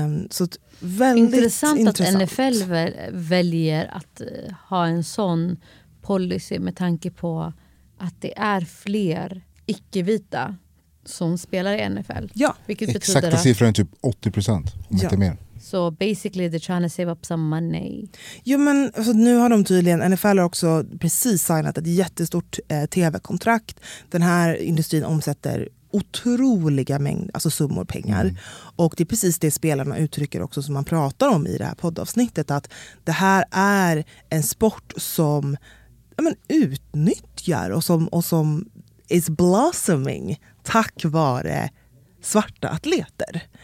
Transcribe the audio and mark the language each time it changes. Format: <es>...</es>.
<sv>Så väldigt intressant. Att NFL väljer att ha en sån policy med tanke på att det är fler icke-vita som spelar i NFL. Ja, vilket exakta betyder siffran är typ 80% om ja. Inte mer. Så</sv> <en>so basically they're trying to save up some money.</en> <sv>Jo, men alltså, nu har de tydligen, NFL har också precis signat ett jättestort tv-kontrakt. Den här industrin omsätter otroliga mängder, alltså summor pengar. Mm. Och det är precis det spelarna uttrycker också som man pratar om i det här poddavsnittet, att det här är en sport som utnyttjar och som</sv> <en>is blossoming</en> <sv>tack vare svarta atleter.</sv>